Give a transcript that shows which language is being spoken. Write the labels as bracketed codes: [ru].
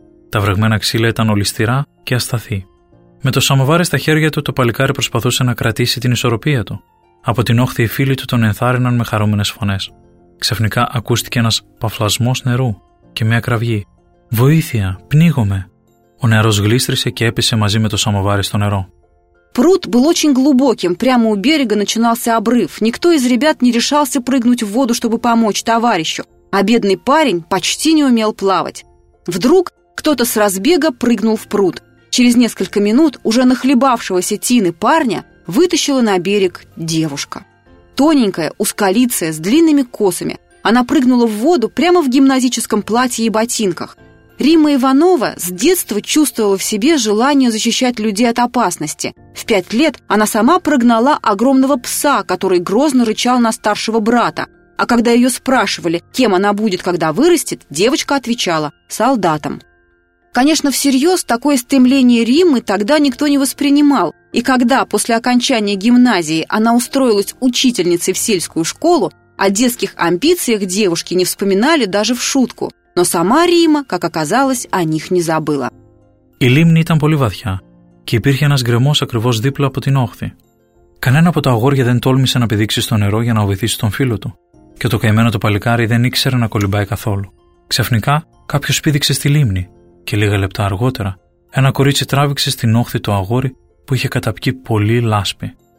[el] Τα βρεγμένα ξύλα ήταν ολισθηρά και ασταθή. Με το σαμοβάρι στα χέρια του, το παλικάρι προσπαθούσε να κρατήσει την ισορροπία του. Από την όχθη οι φίλοι του τον ενθάρρυναν με χαρούμενες φωνές. Ξαφνικά ακούστηκε ένας παφλασμός νερού και μια κραυγή. «Βοήθεια! Πνίγομαι!» Ο νεαρός γλίστρησε και έπεσε μαζί με το σαμοβάρι στο νερό. [ru] Пруд был очень глубоким, прямо у берега начинался обрыв. Никто из ребят не решался прыгнуть в воду, чтобы помочь товарищу, а бедный парень почти не умел плавать. Вдруг кто-то с разбега прыгнул в пруд. Через несколько минут уже нахлебавшегося тины парня вытащила на берег девушка. Тоненькая, узколицая, с длинными косами. Она прыгнула в воду прямо в гимназическом платье и ботинках. Римма Иванова с детства чувствовала в себе желание защищать людей от опасности. В 5 лет она сама прогнала огромного пса, который грозно рычал на старшего брата. А когда ее спрашивали, кем она будет, когда вырастет, девочка отвечала – солдатом. Конечно, всерьез такое стремление Риммы тогда никто не воспринимал. И когда после окончания гимназии она устроилась учительницей в сельскую школу, о детских амбициях девушки не вспоминали даже в шутку. Но сама Римма, как оказалось, о них не забыла. [el] Η λίμνη ήταν πολύ βαθιά και υπήρχε ένας γκρεμός ακριβώς δίπλα από την όχθη. Κανένα από τα αγόρια δεν τόλμησε να πηδήξει στο νερό για να βοηθήσει τον φίλο του. Και το καημένο το παλικάρι δεν ήξερε να κολυμπάει καθόλου. Ξαφνικά κάποιος πήδηξε στη λίμνη και λίγα λεπτά αργότερα ένα κορίτσι τράβηξε στην όχθη το αγόρι που είχε καταπιεί πολύ λάσπη.